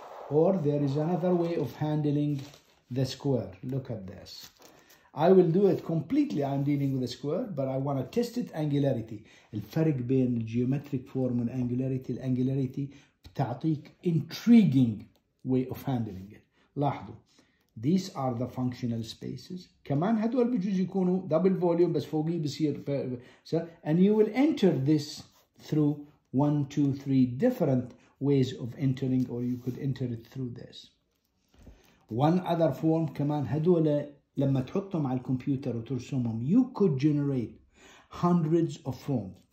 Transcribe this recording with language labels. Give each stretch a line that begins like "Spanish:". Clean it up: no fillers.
English: Or there is another way of handling the square. Look at this. I will do it completely. I'm dealing with the square, but I want to test it angularity.
Arabic: الفرق بين
English: geometric form and angularity. Angularity
Arabic: بتعطيك
English: intriguing way of handling it.
Arabic: لاحظوا.
English: These are the functional spaces.
Arabic: كمان هدول بجوز يكونوا double volume بس فوقي بصير.
English: And you will enter this through 1, 2, 3 different ways of entering, or you could enter it through this. One other form
Arabic: كمان هدول لما تحطهم على الكمبيوتر وترسمهم
English: you could generate hundreds of forms.